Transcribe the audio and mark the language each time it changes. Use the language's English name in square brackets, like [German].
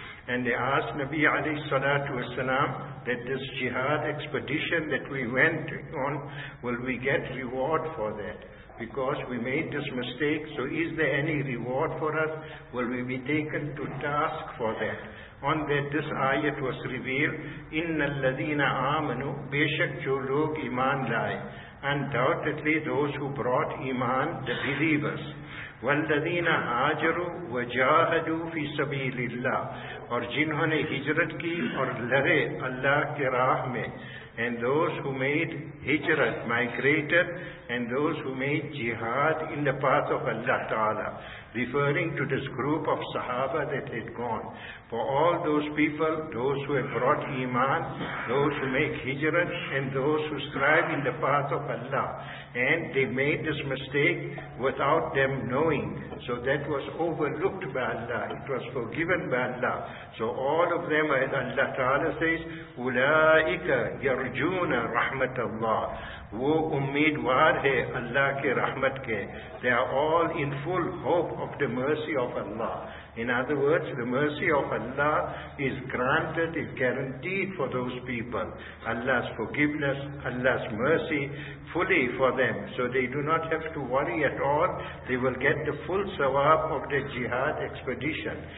[English] And they asked Nabi alayhi salatu wasalam that this jihad expedition that we went on, will we get reward for that? Because we made this mistake, so is there any reward for us? Will we be taken to task for that? On that, this ayat was revealed, [Arabic] إِنَّ الَّذِينَ آمَنُوا [Urdu] بَيْشَكْ جُوْ لُوْكْ إِمَانْ لَايْ. [English] Undoubtedly, those who brought iman, the believers. [Arabic] وَالَّذِينَ هَاجَرُوا وَجَاهَدُوا فِي سَبِيلِ اللَّهِ. [Urdu] اور جنہوں نے ہجرت کی اور لڑے اللہ کے راہ میں. [English] And those who made hijrat, migrated, and those who made jihad in the path of Allah Ta'ala, referring to this group of Sahaba that had gone. For all those people, those who have brought iman, those who make hijrat, and those who strive in the path of Allah, and they made this mistake without them knowing. So that was overlooked by Allah. It was forgiven by Allah. So all of them, as Allah Ta'ala says, [Arabic] أُولَٰئِكَ يَرْجُونَ رَحْمَةَ اللَّهِ. [Urdu] وہ امیدوار ہے اللہ کے رحمت کے. [English] They are all in full hope of the mercy of Allah. In other words, the mercy of Allah is granted, is guaranteed for those people. Allah's forgiveness, Allah's mercy, fully for them. So they do not have to worry at all. They will get the full sawab of the jihad expedition.